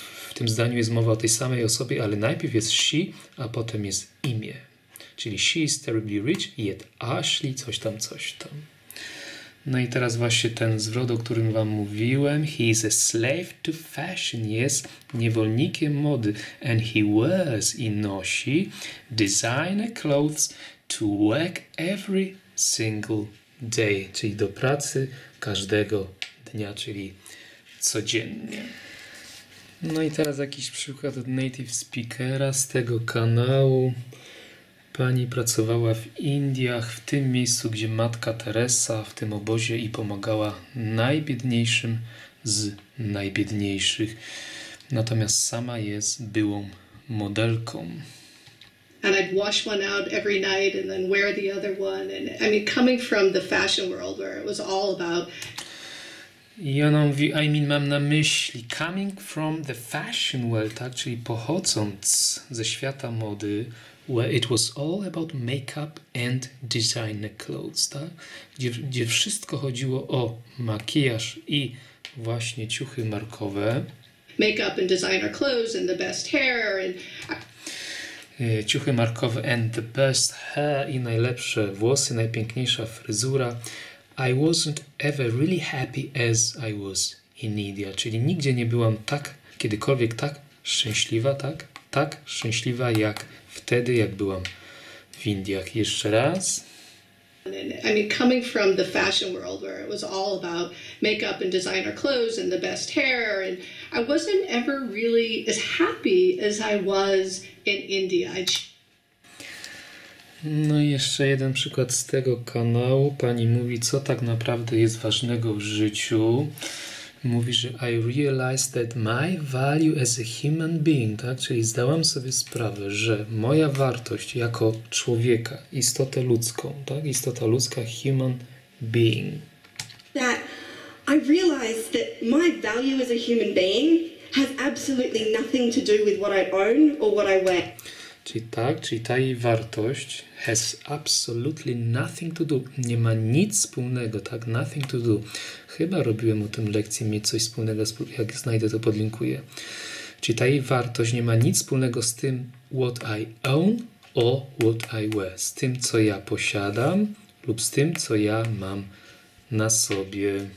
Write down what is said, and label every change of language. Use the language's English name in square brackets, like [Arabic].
[Polish] W tym zdaniu jest mowa o tej samej osobie, ale najpierw jest she, a potem jest imię. [English] Czyli she is terribly rich, yet Ashley [Polish] coś tam, coś tam. No i teraz właśnie ten zwrot, o którym Wam mówiłem. [English] He is a slave to fashion. [Polish] Jest niewolnikiem mody. [English] And he wears [Polish] i nosi [English] designer clothes to work every single day. [Polish] Czyli do pracy każdego dnia, czyli codziennie. No i teraz jakiś przykład od native speakera z tego kanału. Pani pracowała w Indiach, w tym miejscu, gdzie matka Teresa w tym obozie i pomagała najbiedniejszym z najbiedniejszych. Natomiast sama jest byłą modelką. [English] And I'd wash one out every night and then wear the other one. And I mean, coming from the fashion world where it was all about. [Polish] I ona mówi, [English] I mean, [Polish] mam na myśli, [English] coming from the fashion world, [Polish] tak, czyli pochodząc ze świata mody, [English] where it was all about makeup and designer clothes, [Polish] tak? Gdzie wszystko chodziło o makijaż i właśnie ciuchy markowe. [English] Makeup and designer clothes and the best hair and [Polish] ciuchy markowe [English] and the best hair [Polish] i najlepsze włosy, najpiękniejsza fryzura. [English] I wasn't ever really happy as I was in India. [Polish] Czyli nigdzie nie byłam tak, kiedykolwiek tak szczęśliwa, tak? Tak szczęśliwa jak wtedy, jak byłam w Indiach. Jeszcze raz. [English] I mean, coming from the fashion world where it was all about makeup and designer clothes and the best hair, and I wasn't ever really as happy as I was in India. [Polish] No i jeszcze jeden przykład z tego kanału. Pani mówi, co tak naprawdę jest ważnego w życiu. Mówi, że [English] I realized that my value as a human being, [Polish] tak? Czyli zdałam sobie sprawę, że moja wartość jako człowieka, istotę ludzką, tak? Istota ludzka, human being. [English] That I realized that my value as a human being has absolutely nothing to do with what I own or what I wear. [Polish] Czyli ta jej wartość [English] has absolutely nothing to do, [Polish] nie ma nic wspólnego, tak, [English] nothing to do. [Polish] Chyba robiłem o tym lekcję, mieć coś wspólnego, jak znajdę, to podlinkuję. Czyli ta jej wartość nie ma nic wspólnego z tym, [English] what I own or what I wear, [Polish] z tym, co ja posiadam lub z tym, co ja mam na sobie.